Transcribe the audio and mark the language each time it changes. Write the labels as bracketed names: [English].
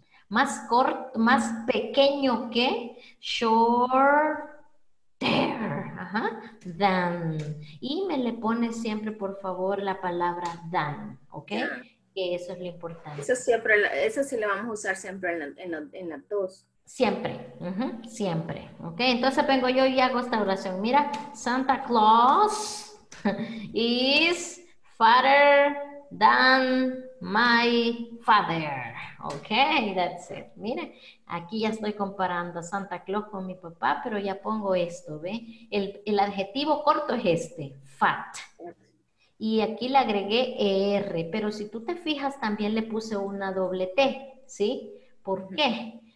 [Spanish] Más corto, más pequeño que, [English] shorter, [Spanish] ajá, than. Y me le pone siempre, por favor, la palabra than, ¿ok? Que eso es lo importante. Eso sí lo vamos a usar siempre en las dos. Siempre, siempre, ¿ok? Entonces vengo yo y hago esta oración. [English] Mira, Santa Claus is fatter than my father. Okay, that's it. [Spanish] Mire, aquí ya estoy comparando a Santa Claus con mi papá, pero ya pongo esto, ¿ve? El adjetivo corto es este, fat. Y aquí le agregué ER, pero si tú te fijas, también le puse una doble T, ¿sí? ¿Por qué?